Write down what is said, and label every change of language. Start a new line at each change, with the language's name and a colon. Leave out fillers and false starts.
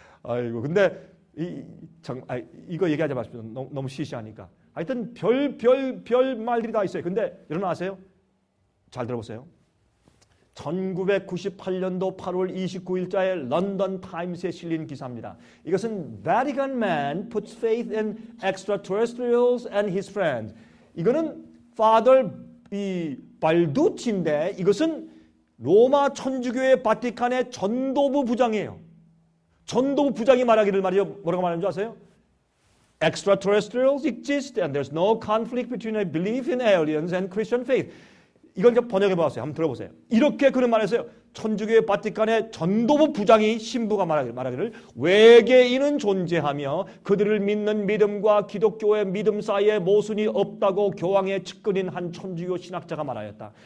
Korean: 아이고 근데 이거 얘기하지 마십시오. 너무 시시하니까. 하여튼 별 말들이 다 있어요. 근데 여러분 아세요? 잘 들어보세요. 1998년도 8월 29일자에 런던 타임스에 실린 기사입니다. 이것은
English: Vatican man puts faith in extraterrestrials and his friends.
Korean: 이거는 Father 발두치인데 이것은 로마 천주교의 바티칸의 전도부 부장이에요. 전도부 부장이 말하기를 말이죠. 뭐라고 말하는 줄 아세요?
English: Extraterrestrials exist and there's no conflict between a belief in aliens and Christian faith.
Korean: 이걸 이제 번역해 보았어요. 한번 들어보세요. 이렇게 그런 말을 했어요. 천주교의 바티칸의 전도부 부장이 신부가 말하기를 외계인은 존재하며 그들을 믿는 믿음과 기독교의 믿음 사이에 모순이 없다고 교황의 측근인 한 천주교 신학자가 말하였다.